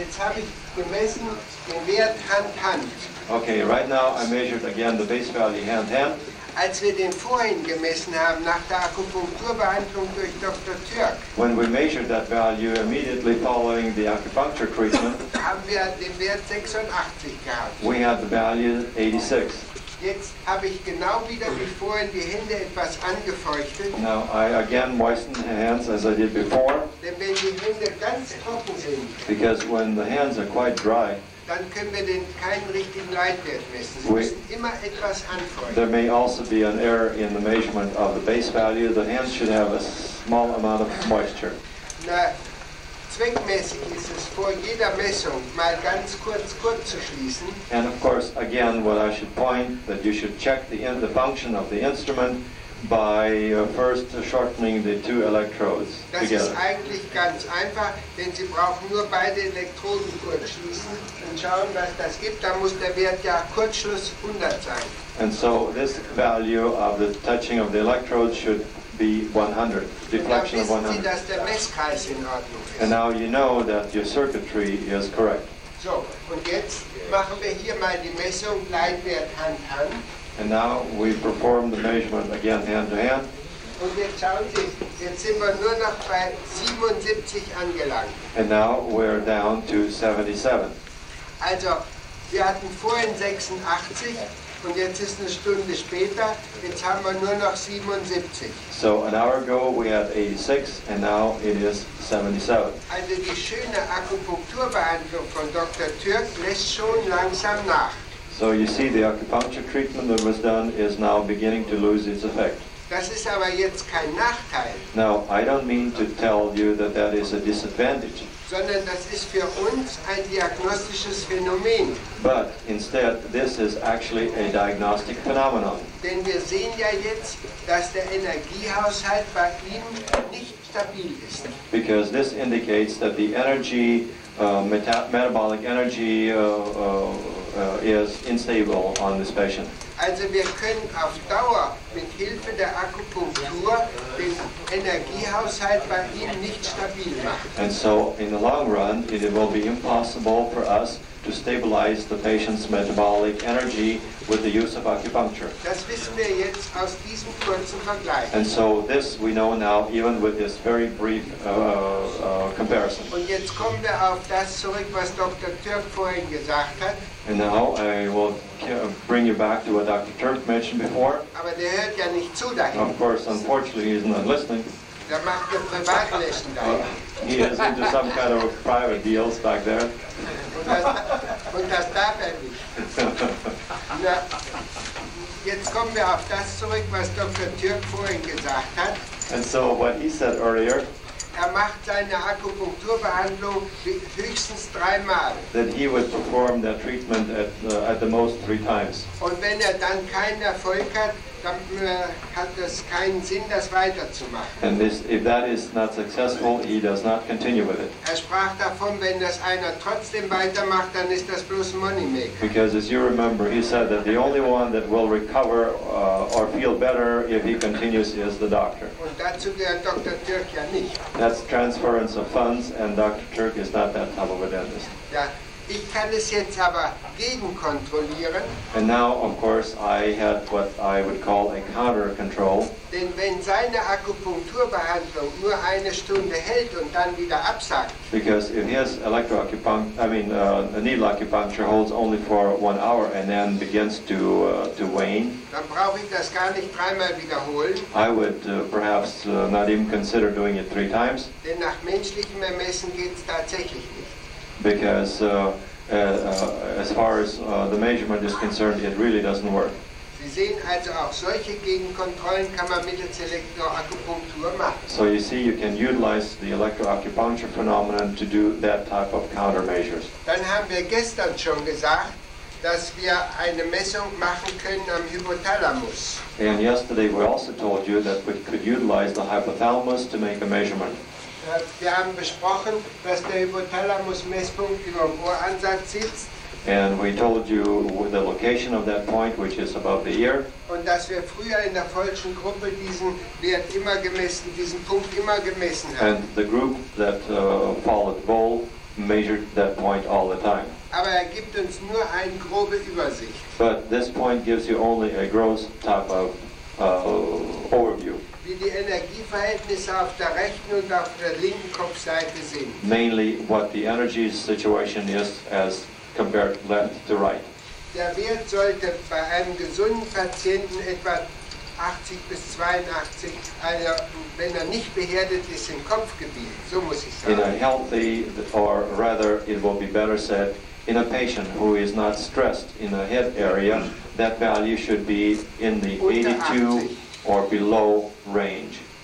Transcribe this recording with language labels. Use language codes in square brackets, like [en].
[de] Jetzt habe ich gemessen den Wert Hand-Hand. [en] Okay, right now I measured again the base value Hand-Hand. [de] Als wir den vorhin gemessen haben, nach der Akupunkturbehandlung durch Dr. Turk, [en] when we measured that value immediately following the acupuncture treatment, [de] haben wir den Wert 86 gehabt. [en] We had the value 86. [de] Jetzt habe ich genau wieder wie vorhin die Hände etwas angefeuchtet. [en] Now I again moistened the hands as I did before. [de] Denn wenn die Hände ganz trocken sind, [en] because when the hands are quite dry, [de] dann können wir den keinen richtigen Leitwert messen. Sie müssen immer etwas anfeuchten. [en] There may also be an error in the measurement of the base value. The hands should have a small amount of moisture. [de] Na, zweckmäßig ist es, vor jeder Messung mal ganz kurz Gurt zu schließen. [en] And of course, again, what I should point, that you should check the function of the instrument by first shortening the two electrodes [de] das [en] together. [de] Das ist eigentlich ganz einfach, denn Sie brauchen nur beide Elektroden kurz schließen und schauen, was das gibt. Da muss der Wert ja Kurzschluss 100 sein. [en] And so this value of the touching of the electrodes should be 100, deflection of 100. [de] Und dann wissen Sie, dass der Messkreis in Ordnung ist. [en] And now you know that your circuitry is correct. [de] So, und jetzt machen wir hier mal die Messung Leitwert Hand-Hand. [en] And now we perform the measurement again hand to hand. [de] Und jetzt schauen Sie, jetzt sind wir nur noch bei 77 angelangt. [en] And now we're down to 77. [de] Also, wir hatten vorhin 86 und jetzt ist eine Stunde später, jetzt haben wir nur noch 77. [en] So an hour ago we had 86 and now it is 77. [de] Also die schöne Akupunkturbehandlung von Dr. Türk lässt schon langsam nach. [en] So you see, the acupuncture treatment that was done is now beginning to lose its effect. [de] Das ist aber jetzt kein Nachteil. [en] Now, I don't mean to tell you that that is a disadvantage. [de] Sondern das ist für uns ein diagnostisches Phänomen. [en] But instead, this is actually a diagnostic phenomenon. [de] Denn wir sehen ja jetzt, dass der Energiehaushalt bei ihm nicht stabil ist. [en] Because this indicates that the energy, metabolic energy, is unstable on this patient. [de] Also wir können auf Dauer mit Hilfe der Akupunktur den Energiehaushalt bei ihm nicht stabil machen. [en] And so in the long run it will be impossible for us to stabilize the patient's metabolic energy with the use of acupuncture. [de] Das wissen wir jetzt aus diesem kurzen Vergleich. [en] And so this we know now even with this very brief comparison. [de] Und jetzt kommen wir auf das zurück, was Dr. Türk vorhin gesagt hat. [en] And now I will bring you back to what Dr. Turk mentioned before. [de] Aber der hört ja nicht zu dahin. [en] Of course, unfortunately, he is not listening. [de] Der macht eine Privatlesson dahin. [en] He is into some kind of private deals back there. [de] Und das darf er nicht. Na, jetzt kommen wir auf das zurück, was Dr. Türk vorhin gesagt hat. [en] And so what he said earlier. [de] Er macht seine Akupunkturbehandlung höchstens dreimal. [en] That he would perform that treatment at the most three times. [de] Und wenn er dann keinen Erfolg hat, dann hat das keinen Sinn, das weiterzumachen. [en] And this, if that is not successful, he does not continue with it. [de] Er sprach davon, wenn das einer trotzdem weitermacht, dann ist das bloß [en] money maker. Because as you remember, he said that the only one that will recover or feel better if he continues is the doctor. [de] Und dazu gehört Dr. Turk ja nicht. [en] That's transference of funds, and Dr. Turk is not that type of a dentist. [de] Ja. Ich kann es jetzt aber gegenkontrollieren. [en] And now, of course, I had what I would call a counter control. [de] Denn wenn seine Akupunkturbehandlung nur eine Stunde hält und dann wieder absagt. [en] Because if his needle acupuncture holds only for 1 hour and then begins to wane. [de] Dann brauche ich das gar nicht dreimal wiederholen. [en] I would perhaps not even consider doing it 3 times. [de] Denn nach menschlichem Ermessen geht's tatsächlich nicht. [en] Because as far as the measurement is concerned, it really doesn't work. [de] Sie sehen also auch solche Gegenkontrollen kann man mittels Elektroakupunktur machen. [en] So you see, you can utilize the electroacupuncture phenomenon to do that type of countermeasures. [de] Dann haben wir gestern schon gesagt, dass wir eine Messung machen können am Hypothalamus. [en] And yesterday we also told you that we could utilize the hypothalamus to make a measurement. [de] Wir haben besprochen, dass der Hypothalamus-Messpunkt über dem Ohransatz sitzt. [en] And we told you the location of that point, which is above the ear. [de] Und dass wir früher in der falschen Gruppe diesen Wert immer gemessen, diesen Punkt immer gemessen haben. [en] And the group that followed Bohl measured that point all the time. [de] Aber er gibt uns nur eine grobe Übersicht. [en] But this point gives you only a gross type of overview. [de] Wie die Energieverhältnisse auf der rechten und auf der linken Kopfseite sind. [en] Mainly what the energy situation is as compared left to right. [de] Der Wert sollte bei einem gesunden Patienten etwa 80 bis 82, also wenn er nicht beherdet ist, im Kopfgebiet, so muss ich sagen. [en] In a healthy, or rather it will be better said, in a patient who is not stressed in the head area, that value should be in the 82 or below range.